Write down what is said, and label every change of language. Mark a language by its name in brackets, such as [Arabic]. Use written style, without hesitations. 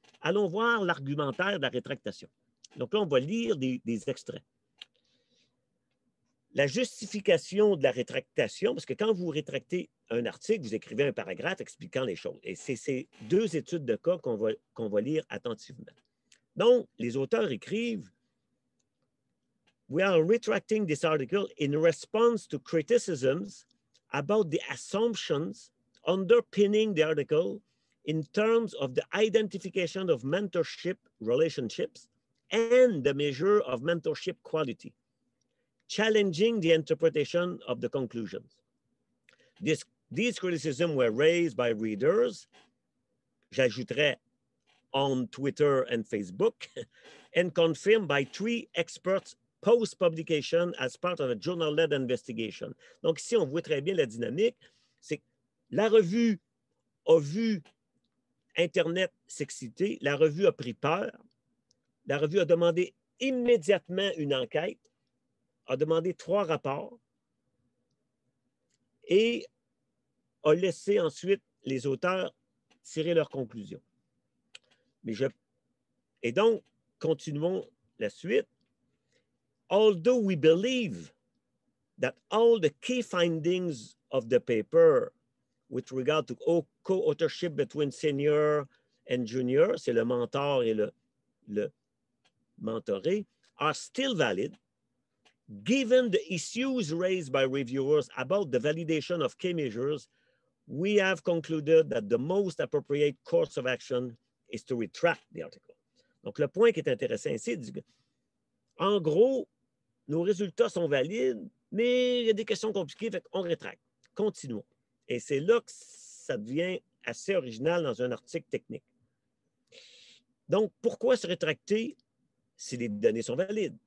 [French] Allons voir l'argumentaire de la rétractation. Donc là, on va lire des extraits. La justification de la rétractation, parce que quand vous rétractez un article, vous écrivez un paragraphe expliquant les choses. Et c'est ces deux études de cas qu'on va lire attentivement. Donc, les auteurs écrivent [English] « We are retracting this article in response to criticisms about the assumptions underpinning the article in terms of the identification of mentorship relationships and the measure of mentorship quality. Challenging the interpretation of the conclusions. These criticisms were raised by readers, [French] j'ajouterais, [English] on Twitter and Facebook, and confirmed by three experts post-publication as part of a journal-led investigation. [French] Donc ici, on voit très bien la dynamique. C'est que la revue a vu Internet s'exciter, la revue a pris peur, la revue a demandé immédiatement une enquête, a demandé trois rapports et a laissé ensuite les auteurs tirer leurs conclusions. Et donc, continuons la suite. [English] Although we believe that all the key findings of the paper with regard to co-authorship between senior and junior, [French] c'est le mentor et le mentoré, [English] are still valid, given the issues raised by reviewers about the validation of key measures, we have concluded that the most appropriate course of action is to retract the article. [French] Donc, le point qui est intéressant ici, en gros, nos résultats sont valides, mais il y a des questions compliquées, fait qu'on rétracte. Continuons. Et c'est là que ça devient assez original dans un article technique. Donc, pourquoi se rétracter si les données sont valides?